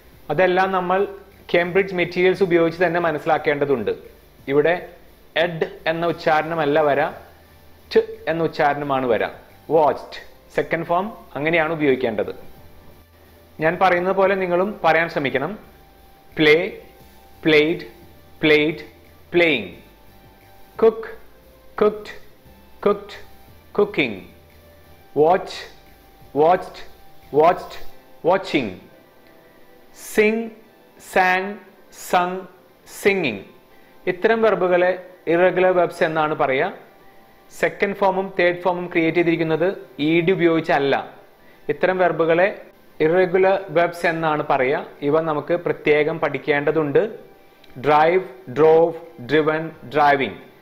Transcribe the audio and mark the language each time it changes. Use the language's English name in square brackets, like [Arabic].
[Malayalam] അതെല്ലാം നമ്മൾ Cambridge materials ഉപയോഗിച്ച് തന്നെ മനസ്സിലാക്കേണ്ടതുണ്ട്. ഇവിടെ എഡ് എന്ന ഉച്ചാരണമല്ല വര, ട് എന്ന ഉച്ചാരണമാണ് വര. വാച്ച്ഡ് സെക്കൻഡ് ഫോം അങ്ങനെയാണ് ഉപയോഗിക്കേണ്ടത്. ഞാൻ പറയുന്നത് പോലെ നിങ്ങളും പറയാൻ ശ്രമിക്കണം. Play, [English] played, played, playing. Cook, cooked, cooked, cooking. Watch, watched, watched, watching. Sing, sang, sung, singing. [Malayalam] ഇത്തരം വെർബുകളെ ഇറെഗുലർ വെർബ്സ് എന്നാണ് പറയുക. സെക്കൻഡ് ഫോമും തേർഡ് ഫോമും ക്രിയേറ്റ് ചെയ്തിരിക്കുന്നത് ഈഡ് ഉപയോഗിച്ചല്ല. ഇത്തരം വെർബുകളെ ഇറെഗുലർ വെർബ്സ് എന്നാണ് പറയുക. ഇവ നമുക്ക് പ്രത്യേകം പഠിക്കേണ്ടതുണ്ട്. [English] Drive, drove, driven, driving.